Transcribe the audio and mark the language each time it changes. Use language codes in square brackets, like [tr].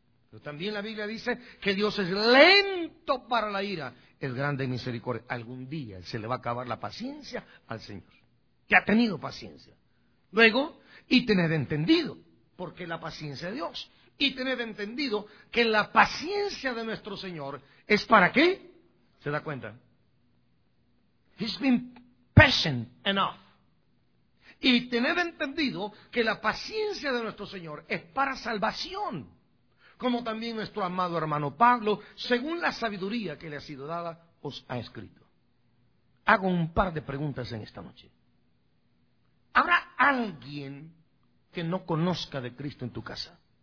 [es] Pero también la Biblia dice que Dios es lento para la ira, es grande en misericordia. Algún día se le va a acabar la paciencia al Señor, que ha tenido paciencia. Luego, y tener entendido, porque la paciencia de Dios, y tener entendido que la paciencia de nuestro Señor es para qué. ¿Se da cuenta? [en] He's been patient enough. [es] Y tener entendido que la paciencia de nuestro Señor es para salvación, como también nuestro amado hermano Pablo, según la sabiduría que le ha sido dada, os ha escrito. Hago un par de preguntas en esta noche. ¿Habrá alguien que no conozca de Cristo en tu casa?